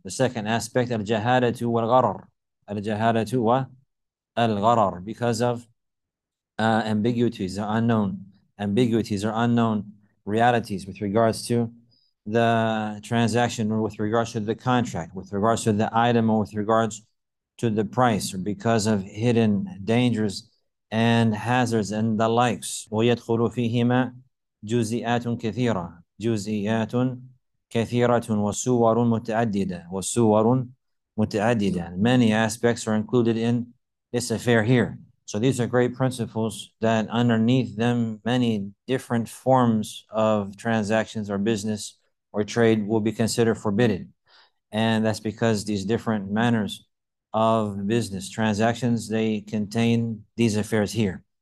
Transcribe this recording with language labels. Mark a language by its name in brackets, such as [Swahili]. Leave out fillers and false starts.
[English] The second aspect, al-jahalatu wal-gharar, al-jahalatu wa al-gharar, because of ambiguities, or unknown ambiguities or unknown realities with regards to the transaction, or with regards to the contract, with regards to the item, or with regards to the price, or because of hidden dangers and hazards and the likes. [Arabic] ويدخل فيهما جزئيات كثيرة, جزئيات كثيرة وصور متعددة, وصور متعددة. [English] Many aspects are included in this affair here. So these are great principles that underneath them, many different forms of transactions or business or trade will be considered forbidden. And that's because these different manners of business transactions, they contain these affairs here.